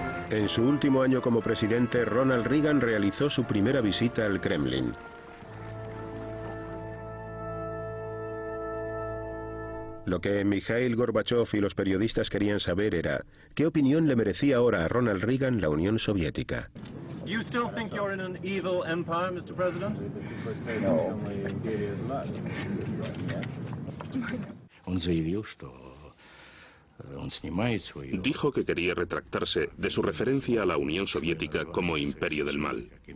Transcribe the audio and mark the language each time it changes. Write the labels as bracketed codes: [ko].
[es] En su último año como presidente, Ronald Reagan realizó su primera visita al Kremlin. Lo que Mikhail Gorbachev y los periodistas querían saber era qué opinión le merecía ahora a Ronald Reagan la Unión Soviética. [en] You still think you're in an evil empire, Mr. President? No. [ru] Он заявил, что он снимает свою. [es] Dijo que quería retractarse de su referencia a la Unión Soviética como imperio del mal.